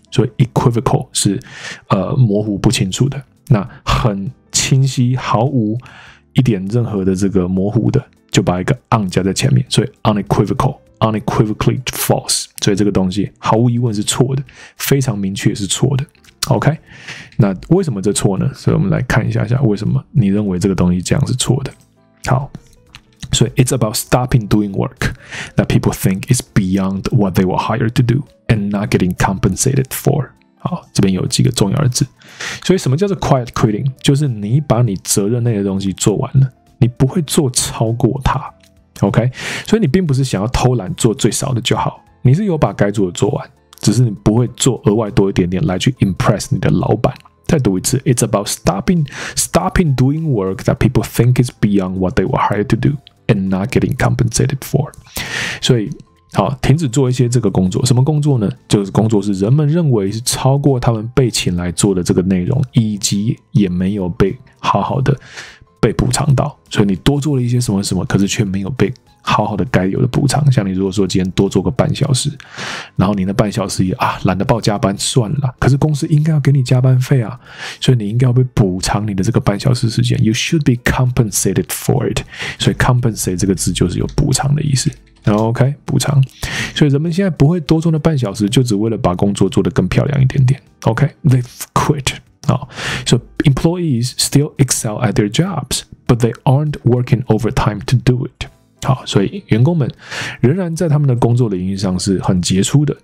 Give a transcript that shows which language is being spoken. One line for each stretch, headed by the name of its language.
Chinese: 所以 equivocal 是模糊不清楚的，那很清晰毫无一点任何的这个模糊的，就把一个 un 加在前面，所以 unequivocal
English: unequivocally false，
Chinese: 所以这个东西毫无疑问是错的，非常明确是错的。 OK， 那为什么这错呢？所以我们来看一下下为什么你认为这个东西这样是错的。好，所以
English: it's about stopping doing work that people think is beyond what they were hired to do and not getting compensated for。
Chinese: 好，这边有几个重要的字。所以什么叫做 quiet quitting？就是你把你责任内的东西做完了，你不会做超过它。 OK， 所以你并不是想要偷懒做最少的就好，你是有把该做的做完，只是你不会做额外多一点点来去 impress 你的老板。再读一次
English: ，It's about stopping doing work that people think is beyond what they were hired to do and not getting compensated for。
Chinese: 所以，好，停止做一些这个工作，什么工作呢？就是工作是人们认为是超过他们被请来做的这个内容，以及也没有被好好的被补偿到。所以你多做了一些什么什么，可是却没有被好好的该有的补偿。像你如果说今天多做个半小时，然后你那半小时也啊懒得报加班算了，可是公司应该要给你加班费啊，所以你应该要被补偿你的这个半小时时间。
English: You should be compensated for it。
Chinese: 所以 compensate 这个字就是有补偿的意思。OK， 补偿。所以人们现在不会多做那半小时，就只为了把工作做得更漂亮一点点。
English: OK， they've quit。 So employees still excel at their jobs but they aren't working overtime to do it。
Chinese: 好，所以员工们仍然在他们的工作领域上是很杰出的。